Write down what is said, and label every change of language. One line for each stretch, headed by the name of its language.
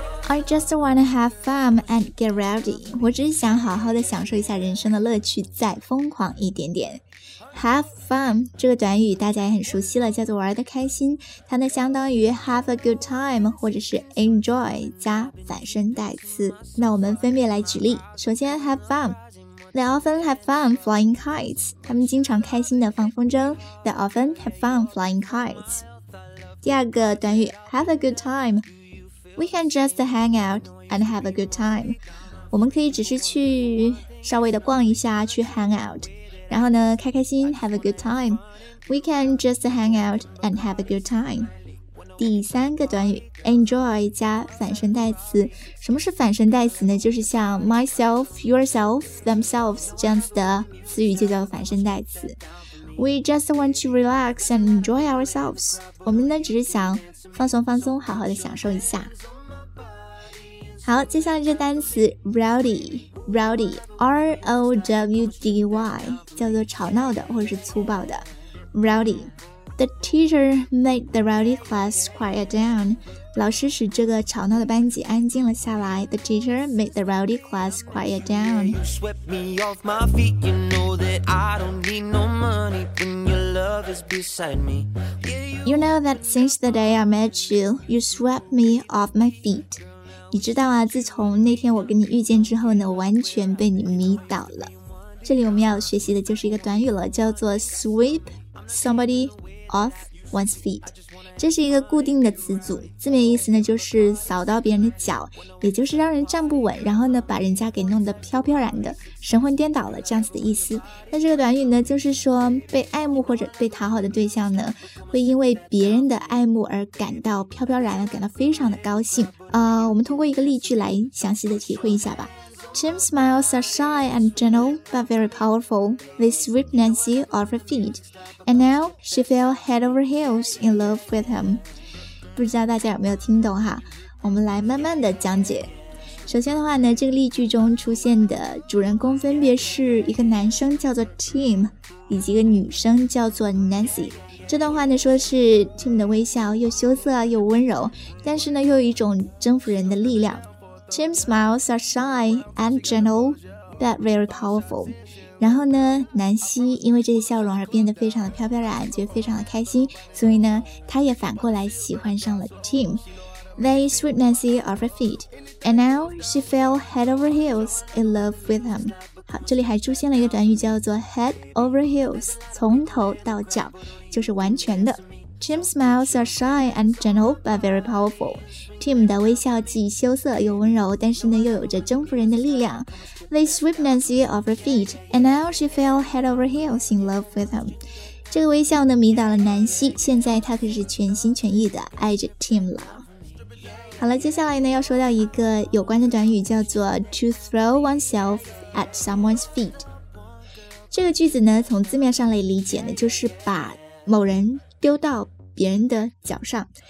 English: I just wanna have fun and get rowdy，
Chinese: 我只是想好好的享受一下人生的乐趣，再疯狂一点点。
English: Have fun
Chinese: 这个短语大家也很熟悉了，叫做玩得开心，它呢相当于
English: have a good time
Chinese: 或者是 enjoy 加反身代词。那我们分别来举例。首先
English: have fun， They often have fun flying kites，
Chinese: 他们经常开心的放风筝。
English: They often have fun flying kites。
Chinese: 第二个短语
English: have a good timeWe can just hang out and have a good time.
Chinese: 我们可以只是去稍微的逛一下，去
English: hang out，
Chinese: 然后呢开开心
English: have a good time. We can just hang out and have a good time.
Chinese: 第三个短语 enjoy 加反身代词。什么是反身代词呢？就是像 myself, yourself, themselves 这样子的词语就叫反身代词。
English: We just want to relax and enjoy ourselves.
Chinese: 我们呢只是想放松放松，好好的享受一下。好，接下来这单词 rowdy， rowdy， R O W D Y， 叫做吵闹的或者是粗暴的。
English: Rowdy， The teacher made the rowdy class quiet down.
Chinese: 老师使这个吵闹的班级安静了下来。
English: The teacher made the rowdy class quiet down. You swept me off my feet. You know that I don't need no money when your love is beside me. You know that since the day I met you, you swept me off my feet.
Chinese: 你知道啊，自从那天我跟你遇见之后呢，我完全被你迷倒了。这里我们要学习的就是一个短语了，叫做
English: sweep somebody off one's feet，
Chinese: 这是一个固定的词组，字面意思呢就是扫到别人的脚，也就是让人站不稳，然后呢把人家给弄得飘飘然的，神魂颠倒了这样子的意思。那这个短语呢，就是说被爱慕或者被讨好的对象呢，会因为别人的爱慕而感到飘飘然，感到非常的高兴。我们通过一个例句来详细的体会一下吧。
English: Jim's smiles are shy and gentle, but very powerful. They sweep Nancy off her feet. And now, she fell head over heels in love with him.
Chinese: 不知道大家有没有听懂哈？我们来慢慢的讲解。首先的话呢，这个例句中出现的主人公分别是一个男生叫做 Tim， 以及一个女生叫做 Nancy。这段话呢，说是 Tim 的微笑又羞涩又温柔，但是呢，又有一种征服人的力量。
English: Tim's smiles are shy and gentle, but very powerful.
Chinese: 然后呢，南希因为这些笑容而变得非常的飘飘然，觉得非常的开心，所以呢，她也反过来喜欢上了 Tim.
English: They sweep Nancy off her feet, and now she fell head over heels in love with him.
Chinese: 好，这里还出现了一个短语叫做 head over heels， 从头到脚，就是完全的。
English: Tim's smiles are shy and gentle, but very powerful.
Chinese: Tim 的微笑既羞涩又温柔，但是呢又有着征服人的力量。
English: They sweep Nancy off her feet, and now she fell head over heels in love with him.
Chinese: 这个微笑呢迷倒了南希，现在她可是全心全意的爱着 Tim 了。好了，接下来呢要说到一个有关的短语，叫做
English: to throw oneself at someone's feet.
Chinese: 这个句子呢从字面上来理解呢，就是把某人丢到别人的脚上。